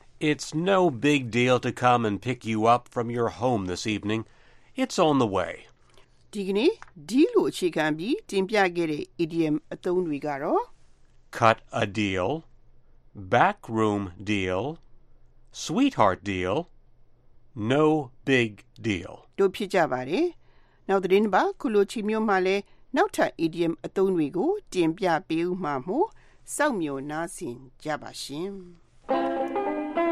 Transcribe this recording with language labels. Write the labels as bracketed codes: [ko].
[en] It's no big deal to come and pick you up from your home this evening. It's on the way. [my] ဒီကနေ့ဒီလိုအခြေခံပြီးတင်ပြခဲ့တဲ့ EDM အသုံးတွေကတော့ [en] Cut a deal, backroom deal, sweetheart deal, no big deal. [my] တို့ဖြစ်ကြပါတယ်။နောက်တဲ့နေ့ပါခုလိုချီမျိုးမှလည်းနောက်ထပ် EDM အသုံးတွေကိုတင်ပြပေးဦးမှာမို့စောင့်မျှော်နားဆင်ကြပါရှင်။